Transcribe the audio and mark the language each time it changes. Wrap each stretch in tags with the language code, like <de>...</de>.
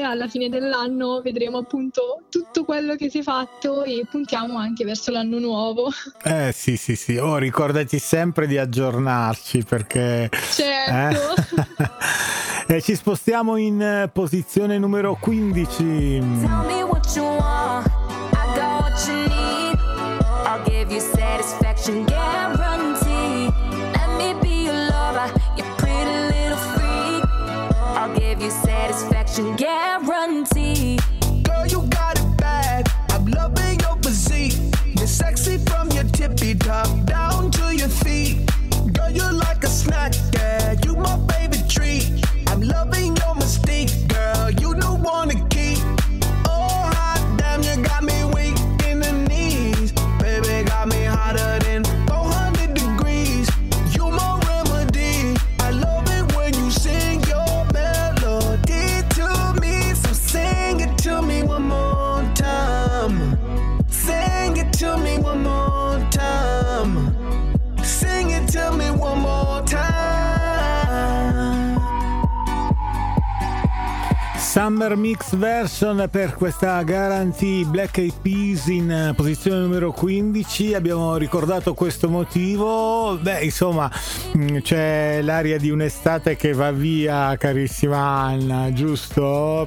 <it>Alla fine dell'anno vedremo appunto tutto quello che si è fatto e puntiamo anche verso l'anno nuovo. Sì, oh, ricordati sempre di aggiornarci, perché certo. E ci spostiamo in posizione numero 15.</it> <en>Tell me what you want, I got what you need, I'll give you satisfaction guarantee. Let me be your lover, your pretty little freak, I'll give you satisfaction guarantee. Girl, you got it bad, I'm loving your physique, you're sexy from your tippy top down to your feet. Girl, you're like a snack, yeah, you my baby treat. Loving your mystique, girl, you don't wanna keep. Oh, hot damn, you got me weak in the knees. Baby, got me hotter than 400 degrees. You my remedy. I love it when you sing your melody to me. So sing it to me one more time. Sing it to me one more time. Sing it to me one more time.</en> <it>Summer Mix Version per questa Guarantee, Black Eyed Peas in posizione numero 15. Abbiamo ricordato questo motivo. Beh, insomma, c'è l'aria di un'estate che va via, carissima Anna, giusto?</it>